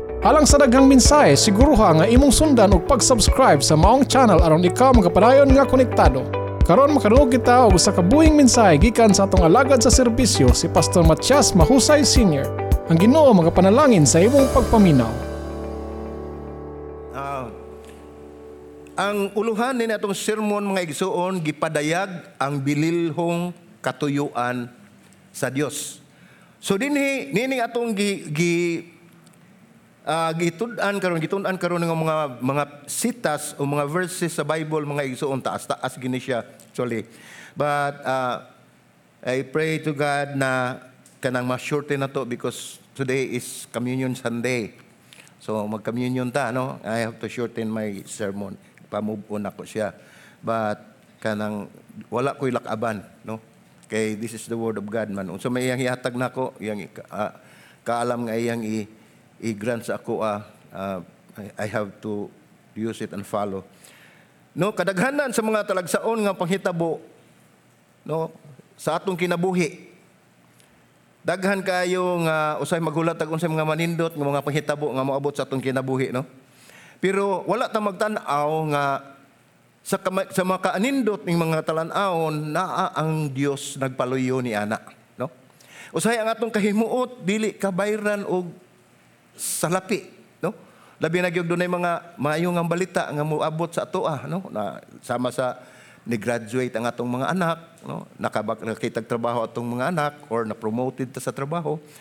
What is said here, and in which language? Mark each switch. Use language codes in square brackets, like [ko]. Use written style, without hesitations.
[ceb] Alang sa daghang mensahe, siguruha nga imong sundan ug pag-subscribe sa maong channel aron ikaw magapadayon nga konektado. Karon makadugo kita og usa ka buhing mensahe gikan sa atong alagad sa serbisyo si Pastor Matias Mahusay Senior. Ang Ginoo magapanalangin sa imong pagpaminaw. Ang uluhan ni atong sermon mga igsoon, gipadayag ang bililhong katuyuan sa Dios. So dinhi nini atong gitud-an karon ng mga sitas o mga verses sa Bible mga igsoon, taas gini siya actually. [en] But I pray to God [ceb] na kanang ma-shorten na to [en] because today is Communion Sunday. [ceb] So mag-communion ta, no? [en] I have to shorten my sermon. [ceb] Pa-move on ako siya. But kanang wala ko'y lakaban, no? [en] Kay this is the word of God man. [ceb] So may iyang ihatag na ako, iyang kaalam nga iyang i-grant sa ako, [en] I have to use it and follow. [ceb] No, kadaghanan sa mga talagsaon nga panghitabo, no, sa atong kinabuhi. Daghan kayo nga usay maghulat og unsay mga manindot nga mga panghitabo nga moabot sa atong kinabuhi, no? Pero wala ta magtan-aw nga sa mga kaanindot ng mga talan-aon naa ang Dios nagpaluyo ni ana, no? Usay ang atong kahimuot dili kabayran og salapi, no? Labi na gyud dunay mga maayong balita nga moabot sa atoa, no? Na sama sa ni graduate ang atong mga anak, no? Nakitag trabaho atong mga anak or na promoted ta sa trabaho.